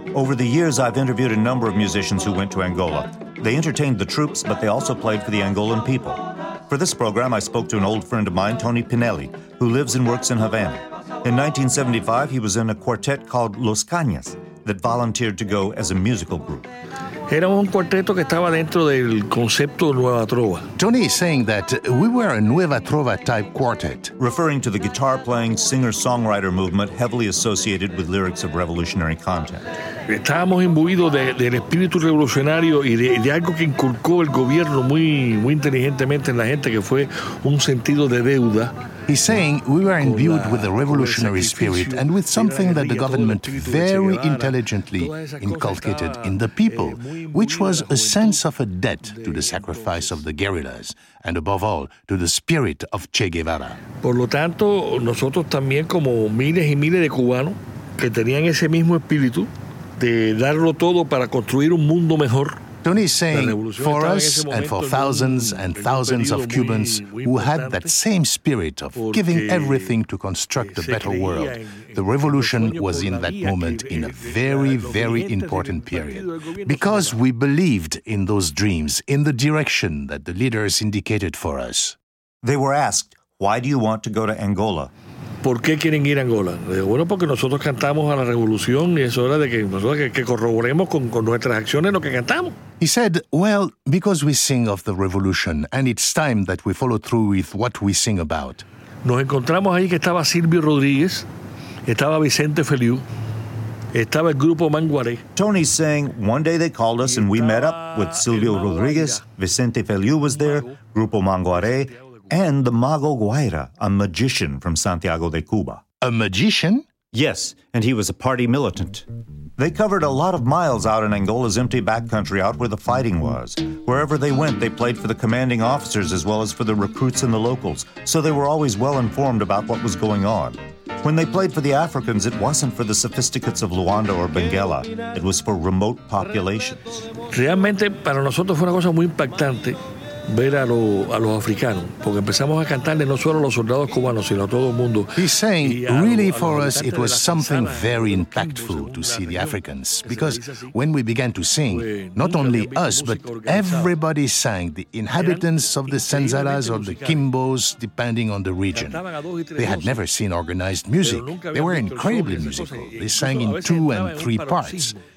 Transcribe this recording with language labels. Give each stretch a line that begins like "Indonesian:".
English: Over the years, I've interviewed a number of musicians who went to Angola. They entertained the troops, but they also played for the Angolan people. For this program, I spoke to an old friend of mine, Tony Pinelli, who lives and works in Havana. In 1975, he was in a quartet called Los Cañas that volunteered to go as a musical group.
Spanish: Era un cuarteto que estaba dentro del concepto Nueva Trova.
English: Tony is saying that we were a Nueva Trova type quartet. Referring to the guitar playing singer-songwriter movement heavily associated with lyrics of revolutionary content.
Spanish: Estábamos imbuidos del espíritu revolucionario y de algo que inculcó el gobierno muy inteligentemente en la gente, que fue un sentido de deuda.
English: He's saying we were imbued with a revolutionary spirit and with something that the government very intelligently inculcated in the people, which was a sense of a debt to the sacrifice of the guerrillas and, above all, to the spirit of Che Guevara.
Spanish: Por lo tanto, nosotros también, como miles y miles de cubanos que tenían ese mismo espíritu de darlo todo para construir un mundo mejor.
English: Tony is saying, for us and for thousands and thousands of Cubans who had that same spirit of giving everything to construct a better world, the revolution was in that moment in a very, very important period. Because we believed in those dreams, in the direction that the leaders indicated for us. They were asked, why do you want to go to Angola?
Spanish: ¿Por qué quieren ir a Angola? Bueno, porque nosotros cantamos a la revolución y es hora de que nosotros que corroboremos con nuestras acciones lo que cantamos.
English: He said, well, because we sing of the revolution and it's time that we follow through with what we sing about.
Spanish: Nos encontramos ahí que estaba Silvio Rodríguez, estaba Vicente Feliu, estaba el grupo Manguaré.
English: Tony's saying, one day they called us and we met up with Silvio Rodríguez, Vicente Feliu was there, grupo Manguaré, and the Mago Guaira, a magician from Santiago de Cuba. A magician? Yes, and he was a party militant. They covered a lot of miles out in Angola's empty backcountry, out where the fighting was. Wherever they went, they played for the commanding officers as well as for the recruits and the locals, so they were always well informed about what was going on. When they played for the Africans, it wasn't for the sophisticates of Luanda or Benguela. It was for remote populations.
Spanish: Realmente, para nosotros fue una cosa muy impactante. Ver a los africanos, porque empezamos a cantarle no solo a los soldados cubanos, sino a todo el mundo.
English: He's saying, really for us, it was something very impactful to see the Africans, because when we began to sing, not only us, but everybody sang, the inhabitants of the Senzalas or the Kimbos, depending on the region. They had never seen organized music. They were incredibly musical. They sang in two and three parts.